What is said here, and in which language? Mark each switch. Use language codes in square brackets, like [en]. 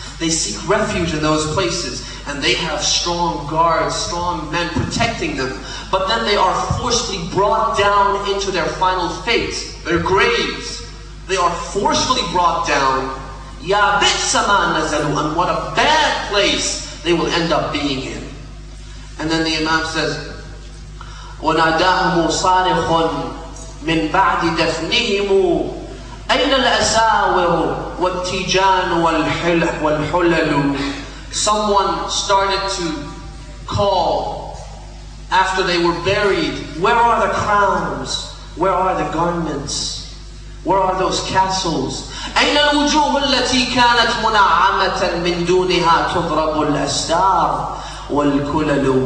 [en] They seek refuge in those places, and they have strong guards, strong men protecting them. But then they are forcefully brought down into their final fate, their graves. They are forcefully brought down. [ar] Ya bitsama nazalu, [en] and what a bad place they will end up being in. And then the Imam says, [ar] وَنَادَاهُمُ صَارِخٌ مِنْ بَعْدِ دَفْنِهِمُ أَيْنَ الْأَسَاوِرُ وَالْتِجَانُ وَالْحُلَلُ. [en] Someone started to call after they were buried, where are the crowns? Where are the garments? Where are those castles? [ar] أَيْنَ الْوُجُوهُ الَّتِي كَانَتْ مُنَعَّمَةً مِنْ دُونِهَا تُضْرَبُ الْأَسْدَارُ وَالْكُلَلُ.